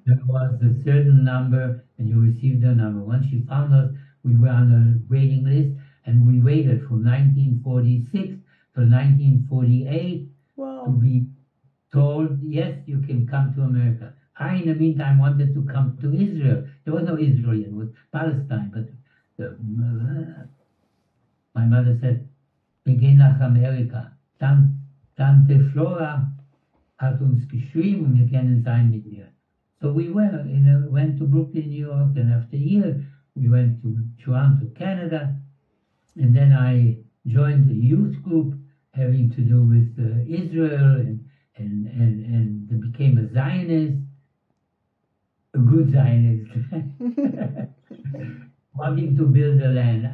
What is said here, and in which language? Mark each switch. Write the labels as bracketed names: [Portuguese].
[English] There was a certain number and you received the number. Once you found us, we were on a waiting list, and we waited from 1946 to 1948 to be told, yes, you can come to America. I, in the meantime, wanted to come to Israel. There was no Israel yet, it was Palestine, but My mother said, [German] "Begin nach Amerika." Tante Flora hat uns geschrieben, wir können sein mit ihr. [English] So we went to Brooklyn, New York, and after a year, we went to Toronto, Canada, and then I joined the youth group having to do with Israel, and became a Zionist, a good Zionist, wanting to build a land.